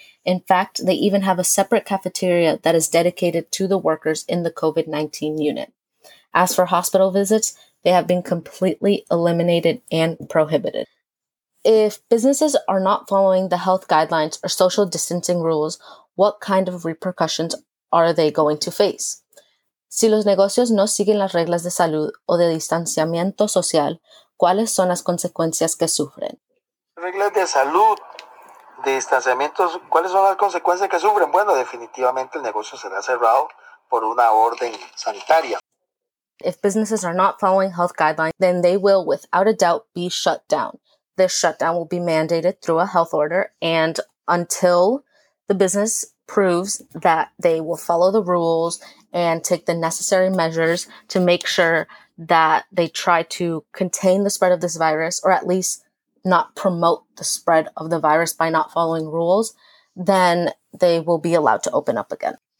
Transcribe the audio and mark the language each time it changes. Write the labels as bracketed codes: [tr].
[en] In fact, they even have a separate cafeteria that is dedicated to the workers in the COVID-19 unit. As for hospital visits, they have been completely eliminated and prohibited. If businesses are not following the health guidelines or social distancing rules, what kind of repercussions are they going to face? [es] Si los negocios no siguen las reglas de salud o de distanciamiento social, ¿cuáles son las consecuencias que sufren? Reglas de salud, de distanciamiento, ¿cuáles son las consecuencias que sufren? Bueno, definitivamente el negocio será cerrado por una orden sanitaria. [en] If businesses are not following health guidelines, then they will, without a doubt, be shut down. This shutdown will be mandated through a health order and until the business proves that they will follow the rules and take the necessary measures to make sure that they try to contain the spread of this virus or at least not promote the spread of the virus by not following rules, then they will be allowed to open up again.